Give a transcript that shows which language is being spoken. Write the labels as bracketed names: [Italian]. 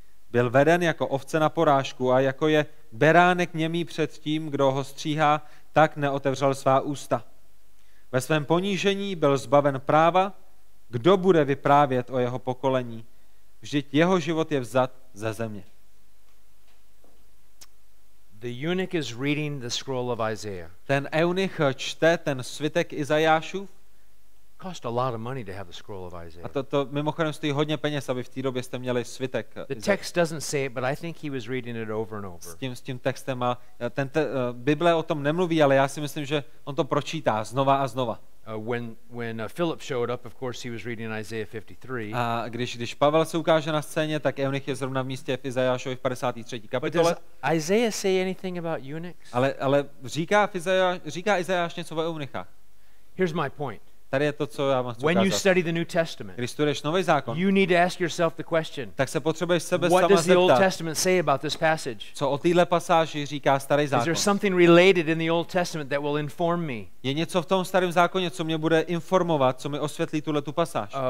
[Czech] Byl veden jako ovce na porážku a jako je beránek němý před tím, kdo ho stříhá, tak neotevřel svá ústa. Ve svém ponížení byl zbaven práva, kdo bude vyprávět o jeho pokolení. Vždyť jeho život je vzat ze země. [English] The eunuch is reading the scroll of Isaiah. [Czech] Ten eunuch čte ten svitek Izajášův. [English] Cost a lot of money to have the scroll of Isaiah. [Czech] A to mimochodem stojí hodně peněz, aby v té době jste měli svitek. [English] The text doesn't say it, but I think he was reading it over and over. [Czech] S tím textem a ten Bible o tom nemluví, ale já si myslím, že on to pročítá znova a znova. [English] When Philip showed up, of course he was reading Isaiah 53. [Czech] A když Pavel se ukáže na scéně, tak eunuch je zrovna v místě v Izajášovi v 53. kapitole. [English] But does Isaiah say anything about eunuchs? [Czech] Ale říká Izajáš něco o eunuchách. [English] Here's my point. [Czech] Tady je to, co já vám chci [English] When you study the New Testament, [Czech] když studuješ Nový zákon, [English] you need to ask yourself the question. [Czech] Tak se potřebuješ sebe [English] what [Czech] sama [English] does the Old Testament say about this passage? [Czech] Co o téhle pasáži říká Starý zákon? [English] Is there something related in the Old Testament that will inform me? [Czech] Je něco v tom Starém zákoně, co mě bude informovat, co mi osvětlí tuhle tu pasáž?